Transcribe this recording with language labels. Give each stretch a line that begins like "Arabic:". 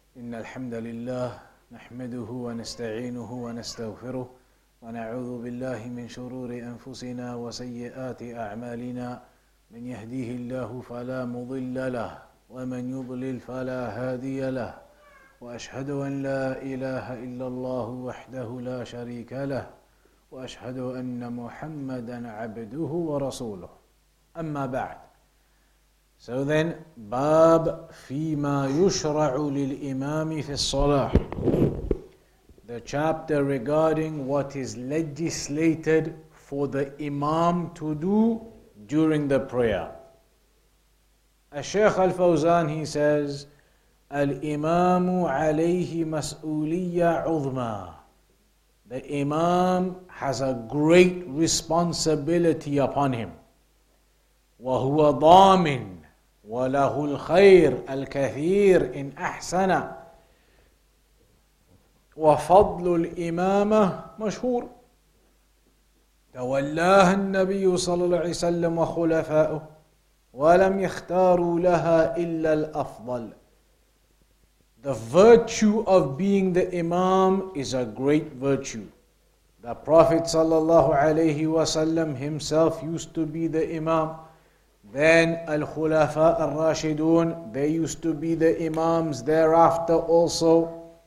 Arabic: إن الحمد لله نحمده ونستعينه ونستغفره ونعوذ بالله من شرور أنفسنا وسيئات أعمالنا من يهديه الله فلا مضل له ومن يضلل فلا هادي له وأشهد أن لا إله إلا الله وحده لا شريك له وأشهد أن محمدا عبده ورسوله أما بعد.
English: So then,
Arabic: باب فيما يشرع للإمام في الصلاة.
English: The chapter regarding what is legislated for the Imam to do during the prayer.
Arabic: الشيخ الفوزان,
English: he says,
Arabic: الإمام عليه مسؤولية عظمى.
English: The Imam has a great responsibility upon him.
Arabic: وهو ضامن وله الخير الكثير إن أحسن وفضل الإمامة مشهور تولاها النبي صلى الله عليه وسلم وخلفاؤه ولم يختاروا لها إلا الأفضل.
English: The virtue of being the Imam is a great virtue. The Prophet
Arabic: صلى الله عليه وسلم
English: himself used to be the Imam. Then Al-Khulafa Al-Rashidun, they used to be the Imams thereafter also.